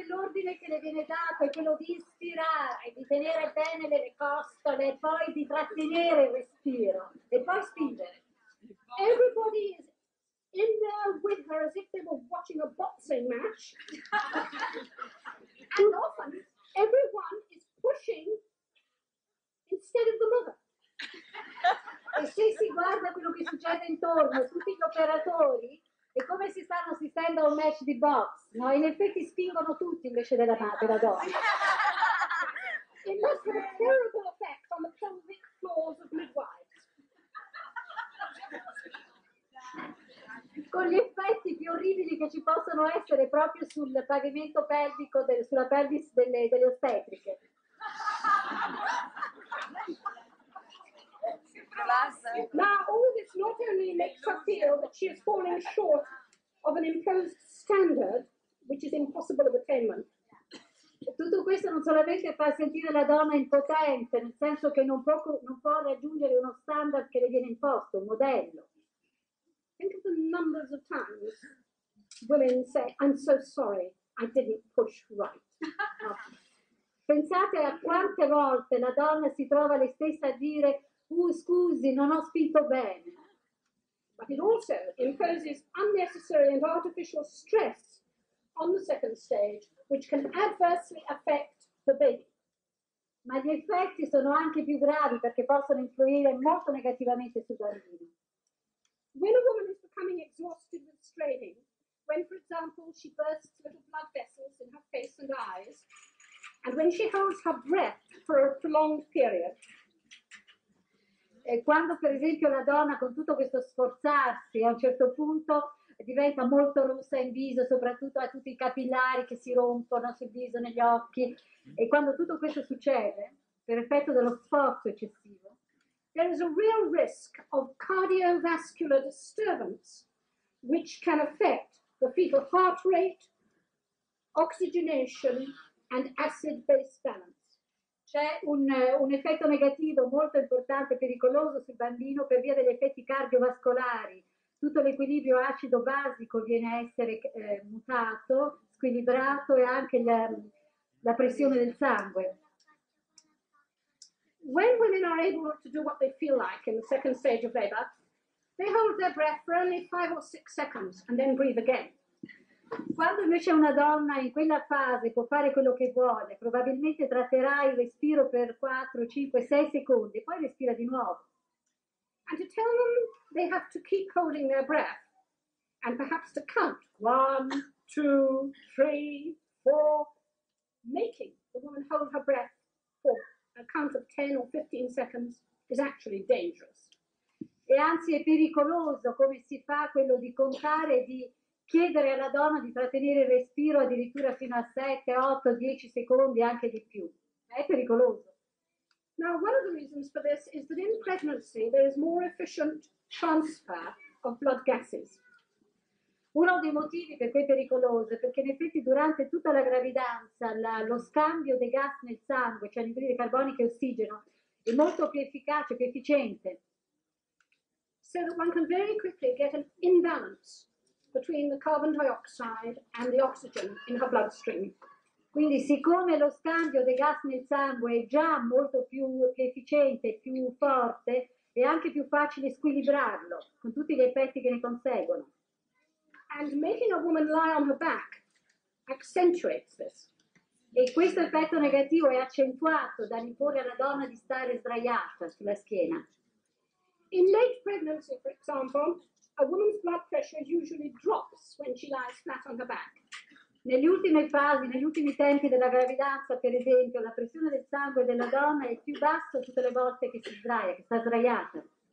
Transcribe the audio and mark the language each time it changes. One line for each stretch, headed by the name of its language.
Italian: dell'ordine che le viene dato è quello di ispirare, di tenere bene le costole e poi di trattenere il respiro e poi spingere.
English: Everybody is in there with her as if they were watching a boxing match. And often everyone is pushing instead of the mother.
Italian: E se si guarda quello che succede intorno, tutti gli operatori, è come se stanno assistendo a un match di box, no? In effetti spingono tutti invece della madre, la donna.
English: It must have a terrible effect on the pelvic floors of midwives.
Italian: Con gli effetti più orribili che ci possono essere proprio sul pavimento pelvico, sulla pelvis delle ostetriche.
English: Now all this not only makes her feel that she is falling short of an imposed standard, which is impossible of attainment.
Italian: Tutto questo non solamente fa sentire la donna impotente, nel senso che non può raggiungere uno standard che le viene imposto, un modello.
English: Think of the numbers of times women say, "I'm so sorry, I didn't push right."
Italian: Pensate a quante volte la donna si trova le stesse a dire. Scusi, non ho spinto bene.
English: But it also imposes unnecessary and artificial stress on the second stage, which can adversely affect the baby.
Italian: Ma gli effetti sono anche più gravi perché possono influire molto negativamente sul bambino.
English: When a woman is becoming exhausted with straining, when for example she bursts little blood vessels in her face and eyes, and when she holds her breath for a prolonged period,
Italian: e quando per esempio la donna con tutto questo sforzarsi a un certo punto diventa molto rossa in viso, soprattutto a tutti i capillari che si rompono sul viso, negli occhi, e quando tutto questo succede per effetto dello sforzo eccessivo,
English: there is a real risk of cardiovascular disturbance which can affect the fetal heart rate, oxygenation and acid-base balance.
Italian: C'è un effetto negativo molto importante e pericoloso sul bambino per via degli effetti cardiovascolari. Tutto l'equilibrio acido-basico viene a essere mutato, squilibrato, e anche la pressione del sangue.
English: When women are able to do what they feel like in the second stage of labor, they hold their breath for only 5 or 6 seconds and then breathe again.
Italian: Quando invece una donna in quella fase può fare quello che vuole, probabilmente tratterà il respiro per 4, 5, 6 secondi e poi respira di nuovo.
English: And to tell them they have to keep holding their breath and perhaps to count 1, 2, 3, 4, making the woman hold her breath for a count of 10 or 15 seconds is actually dangerous.
Italian: E anzi è pericoloso come si fa quello di contare, di chiedere alla donna di trattenere il respiro addirittura fino a 7, 8, 10 secondi, anche di più. È pericoloso.
English: Now, one of the reasons for this is that in pregnancy there is more efficient transfer of blood gases.
Italian: Uno dei motivi per cui è pericoloso è perché in effetti durante tutta la gravidanza lo scambio dei gas nel sangue, cioè l'anidride carbonica e ossigeno, è molto più efficace, più efficiente.
English: So that one can very quickly get an imbalance between the carbon dioxide and the oxygen in her bloodstream.
Italian: Quindi siccome lo scambio dei gas nel sangue è già molto più efficiente, più forte, è anche più facile squilibrarlo con tutti gli effetti che ne conseguono.
English: And making a woman lie on her back accentuates this.
Italian: E questo effetto negativo è accentuato dall'imporre alla donna di stare sdraiata sulla schiena.
English: In late pregnancy, for example, a woman's blood pressure usually drops when she lies flat on her back.
Italian: Negli ultimi fasi, negli ultimi tempi della gravidanza, per esempio, la pressione del sangue della donna è più bassa tutte le volte che si sdraia, che sta sdraiata.